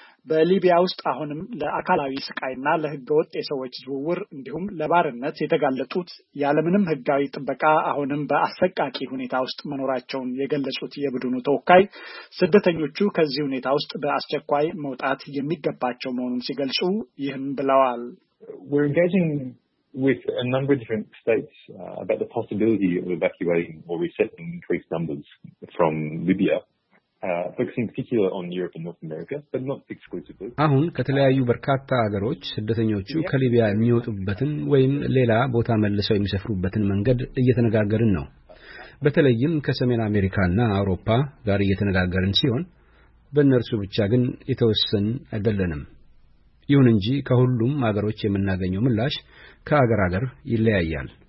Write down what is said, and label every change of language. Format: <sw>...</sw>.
<am>በሊቢያ ውስጥ አሁንም ለአካላዊ ስቃይና ለህገወጥ የሰዎች ዝውውር እንዲሁም ለባርነት የተጋለጡት ያለምንም ህጋዊ ጥበቃ አሁንም በአሰቃቂ ሁኔታ ውስጥ መኖራቸውን የገለጹት የቡድኑ ተወካይ ስደተኞቹ ከዚህ ሁኔታ ውስጥ በአስቸኳይ መውጣት የሚገባቸው መሆኑን ሲገልጹ ይህን ብለዋል።</am> <en>We're engaging with a number of different states about the possibility of evacuating or resettling increased numbers from Libya. Focusing particularly on Europe and North America, but not exclusively.</en> <am>አሁን ከተለያዩ በርካታ አገሮች ስደተኞቹ ከሊቢያ የሚወጡበትን ወይም ሌላ ቦታ መልሰው የሚሰፍሩበትን መንገድ እየተነጋገርን ነው። በተለይም ከሰሜን አሜሪካና አውሮፓ ጋር እየተነጋገርን ሲሆን በእነርሱ ብቻ ግን የተወሰን አይደለንም። ይሁን እንጂ ከሁሉም አገሮች የምናገኘው ምላሽ ከአገር አገር ይለያያል።</am>